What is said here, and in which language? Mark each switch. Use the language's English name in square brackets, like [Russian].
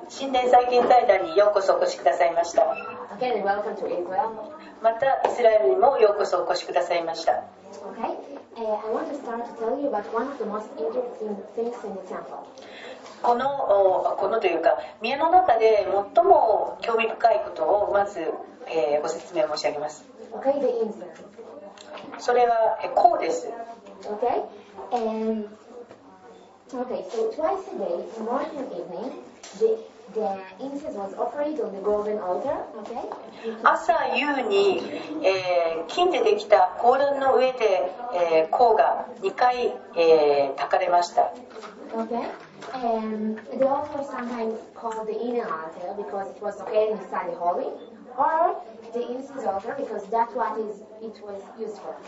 [Japanese] 神殿再建財団にようこそお越しくださいました。 [English] Okay, and welcome to Israel. [Japanese] また、イスラエルにもようこそお越しくださいました。 [English] Okay. I want to start to tell you about one of the most interesting things in the temple. [Japanese] このというか宮の中で最も興味深いことをまず、ご説明申し上げます。 [English] Okay, the incense. [Japanese] それは、こうです。 [English] Okay. So twice a day, morning and evening, the incense was offered on the golden altar. Okay. [Japanese] 朝夕に、金でできた香壇の上で、香が2回、焚かれました。 [English] Okay. The altar was sometimes called the inner altar because it was located inside the holy, or the incense altar because that's what is it was used for.